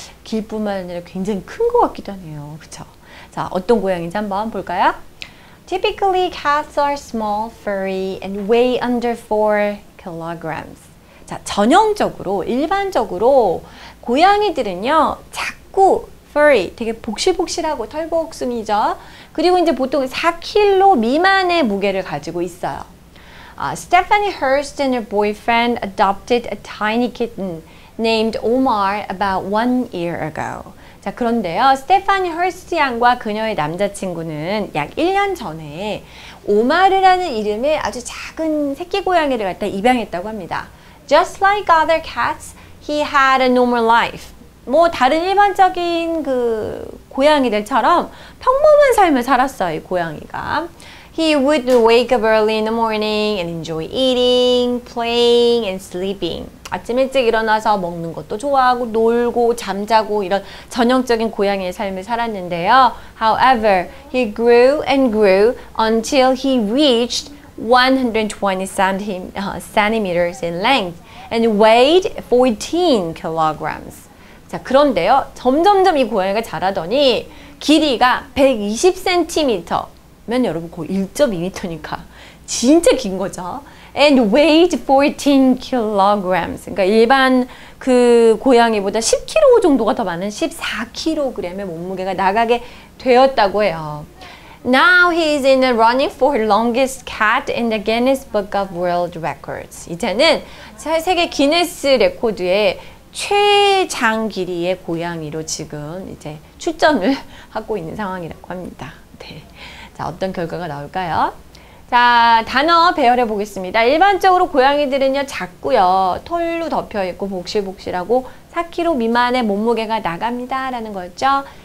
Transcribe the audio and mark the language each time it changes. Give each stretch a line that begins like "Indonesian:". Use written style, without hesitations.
Korean: 길뿐만 아니라 굉장히 큰것 같기도 하네요. 그쵸? 자, 어떤 고양이인지 한번 볼까요?
English: Typically, cats are small, furry, and weigh under 4 kilograms.
Korean: 자, 전형적으로, 일반적으로 고양이들은요, 작고 furry, 되게 복실복실하고 털복숭이죠. 그리고 이제 보통 4kg 미만의 무게를 가지고 있어요.
English: Stephanie Hurst and her boyfriend adopted a tiny kitten named Omar about 1 year ago.
Korean: 자, 그런데요, 스테파니 허스트 양과 그녀의 남자친구는 약 1년 전에 오마르라는 이름의 아주 작은 새끼 고양이를 갖다 입양했다고 합니다.
English: Just like other cats, he had a normal life.
Korean: 뭐 다른 일반적인 그 고양이들처럼 평범한 삶을 살았어요, 이 고양이가.
English: He would wake up early in the morning and enjoy eating, playing, and sleeping.
Korean: 아침 일찍 일어나서 먹는 것도 좋아하고 놀고 잠자고 이런 전형적인 고양이의 삶을 살았는데요.
English: However, he grew and grew until he reached 120 centimeters in length and weighed 14 kilograms.
Korean: 자, 그런데요, 점점점 이 고양이가 자라더니 길이가 120cm면 여러분 거의 1.2m니까 진짜 긴 거죠.
English: And weighed 14 kilograms.
Korean: 그러니까 일반 그 고양이보다 10kg 정도가 더 많은 14kg의 몸무게가 나가게 되었다고 해요.
English: Now he is in the running for longest cat in the Guinness Book of World Records.
Korean: 이제는 세계 기네스 레코드에 최장 길이의 고양이로 지금 이제 출전을 하고 있는 상황이라고 합니다. 네. 자, 어떤 결과가 나올까요? 자, 단어 배열해 보겠습니다. 일반적으로 고양이들은요, 작고요, 털로 덮여 있고, 복실복실하고, 4kg 미만의 몸무게가 나갑니다라는 거죠.